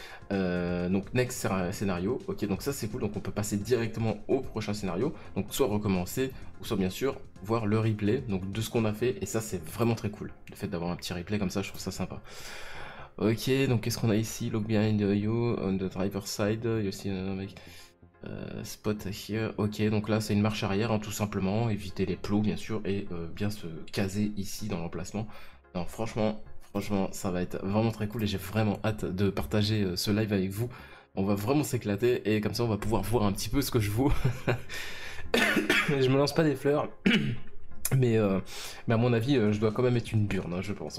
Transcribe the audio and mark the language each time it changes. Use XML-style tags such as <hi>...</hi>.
<fr>Donc next scénario, ok, donc ça c'est cool, donc on peut passer directement au prochain scénario, donc soit recommencer, ou soit bien sûr voir le replay donc de ce qu'on a fait, et ça c'est vraiment très cool, le fait d'avoir un petit replay comme ça, je trouve ça sympa. Ok, donc qu'est-ce qu'on a ici?</fr> <en>Look behind you, on the driver's side, you see another mec.</en> <fr>Spot here, ok, donc là c'est une marche arrière, hein, tout simplement, éviter les plots bien sûr, et bien se caser ici dans l'emplacement. Non, franchement, ça va être vraiment très cool et j'ai vraiment hâte de partager ce live avec vous. On va vraiment s'éclater et comme ça on va pouvoir voir un petit peu ce que je vois. Je me lance pas des fleurs, mais à mon avis, je dois quand même être une burne, hein, je pense.</fr>